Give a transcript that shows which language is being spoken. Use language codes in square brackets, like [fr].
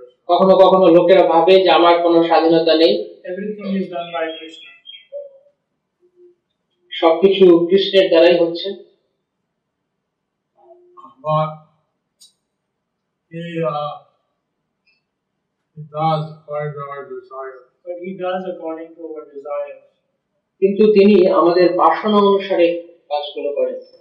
[bn] কখনো কখনো লোকেরা ভাবে যে আমার কোনো স্বাধীনতা নেই। [en] Everything is done by Krishna. [bn] সবকিছু কৃষ্ণের দ্বারাই হচ্ছে। [en] But he does according to our desire. But he does according to our desire. [bn] কিন্তু তিনি আমাদের বাসনা অনুসারে কাজগুলো করেন।